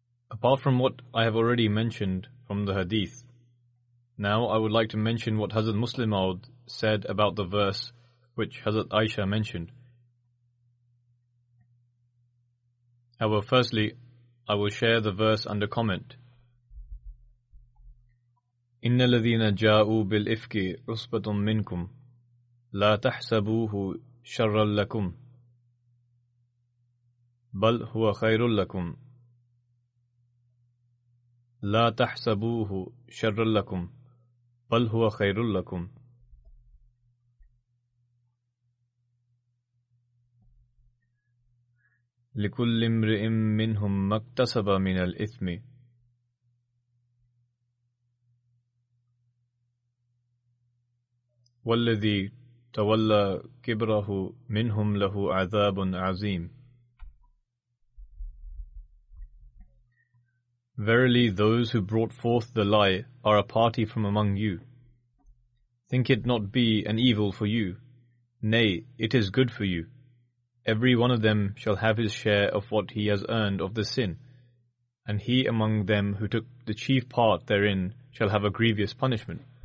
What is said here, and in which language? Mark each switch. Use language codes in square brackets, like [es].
[en] Apart from what I have already mentioned from the Hadith, now I would like to mention what Hazrat Muslim Aud said about the verse which Hazrat Aisha mentioned. However, firstly, I will share the verse under comment. [ar] إن الذين جاءوا بالإفك عصبة منكم لا تحسبوه شرا لكم بل هو خير لكم لا تحسبوه شرا لكم بل هو خير لكم. لكل امرئ منهم ما اكتسب من الإثم وَالَّذِي تَوَلَّى كِبْرَهُ مِنْهُمْ لَهُ عَذَابٌ عَظِيمٌ. [en] Verily, those who brought forth the lie are a party from among you. Think it not be an evil for you. Nay, it is good for you. Every one of them shall have his share of what he has earned of the sin, and he among them who took the chief part therein shall have a grievous punishment.